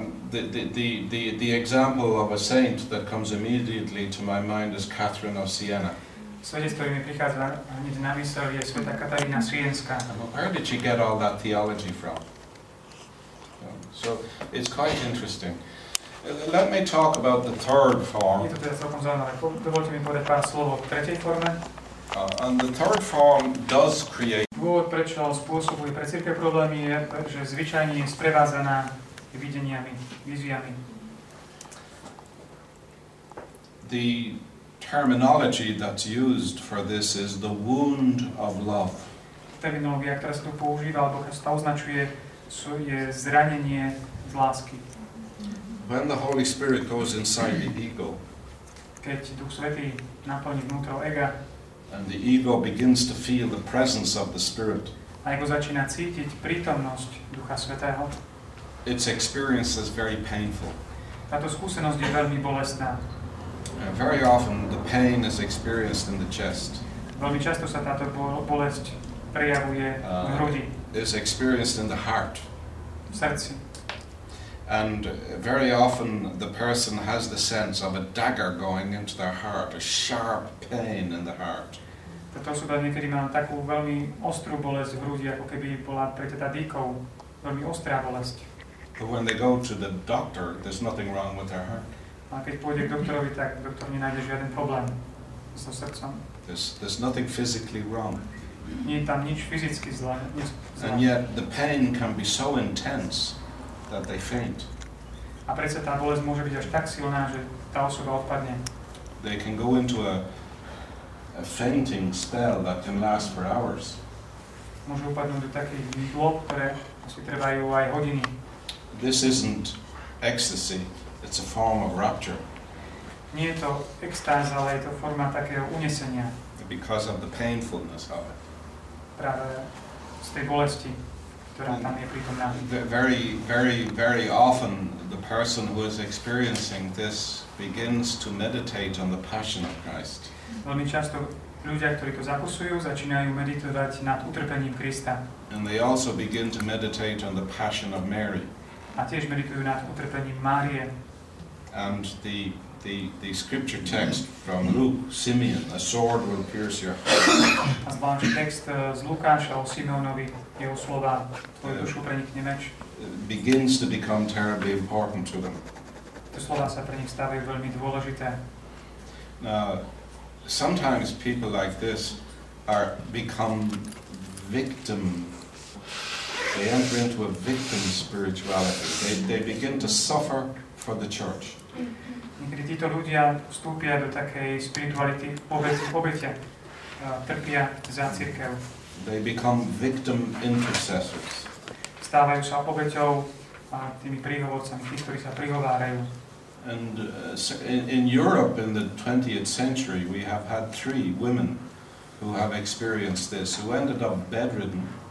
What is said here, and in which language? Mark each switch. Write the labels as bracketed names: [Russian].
[English] The example of a saint that comes immediately to my mind is Catherine of Siena. [Slovak] Svedectvo mi prichádza hneď na mysel je svätá Katarína Sienská. [English] Where did she get all that theology from? So it's quite interesting. Let me talk about the third form. [Slovak] Je to teda celkom zaujímavé. Dovolte mi povedať pár slov o tretej forme. [English] And the third form does create. [Slovak] Dôvod, prečo spôsobuje pre cirkev problémy, je, že zvyčajne je sprevázaná videniami, víziami. [English] The terminology that's used for this is the wound of love. [Slovak] Terminológia, ktorá sa tu používa, alebo ktorá sa to označuje, je zranenie z lásky. [English] When the Holy Spirit goes inside the ego, [Slovak] keď Duch Svätý naplní vnútro ega, [English] and the ego begins to feel the presence of the Spirit, [Slovak] a ego začína cítiť prítomnosť Ducha Svätého, [English] its experience is very painful. [Slovak] Táto skúsenosť je veľmi bolestná. [English] Very often the pain is experienced in the chest. [Slovak] Veľmi často sa táto bolesť prejavuje v hrudi. [English] Is experienced in the heart. [Slovak] V srdci. [English] And very often the person has the sense of a dagger going into their heart, a sharp pain in the heart. [Slovak] Táto osoba niekedy má takú veľmi ostrú bolesť v hrudi, ako keby bola preťatá dýkou. Veľmi ostrá bolesť. [English] But when they go to the doctor, there's nothing wrong with their heart. [Slovak] A keď pôjde k doktorovi, tak doktor nenájde žiaden problém so srdcom. [English] There's nothing physically wrong. [Slovak] Nie je tam nič fyzicky zlé. [English] And yet the pain can be so intense. that they faint. [Slovak] A predsa tá bolesť môže byť až tak silná, že tá osoba odpadne. [English] They can go into a fainting spell that can last for hours. [Slovak] Môže upadnúť do takých dlob, ktoré si trvajú aj hodiny. [English] This isn't ecstasy, it's a form of rupture. [Slovak] Nie je to extáza, ale je to forma takého unesenia. [English] Because of the painfulness of it. [Slovak] Práve z tej bolesti, ktorá tam je prítomná. [English] Very, very, very often the person who is experiencing this begins to meditate on the passion of Christ. [Slovak] Veľmi často ľudia, ktorí to zakusujú, začínajú meditovať nad utrpením Krista. [English] And they also begin to meditate on the passion of Mary. [Slovak] A tiež meditujú nad utrpením Márie. [English] And the scripture text from Luke, Simeon, a sword will pierce your heart. [Slovak] A zvláštny text z Lukáša o Simeonovi, jeho slova, tvoju dušu prenikne meč. [English] Begins to become terribly important to them. [Slovak] Tie slova sa pre nich stavajú veľmi dôležité. [English] Now, sometimes people like this are become victim. They enter into a victim spirituality. They begin to suffer for the church. [Slovak] Niekedy títo ľudia vstúpia do takej spirituality obete, trpia za cirkev. [English] They become victim intercessors. [Slovak] Stávajú sa obeťou a tými príhovorcami, tí, ktorí sa prihovárajú. [English] And in Europe in the 20th century we have had three women who have experienced this, who ended up bedridden.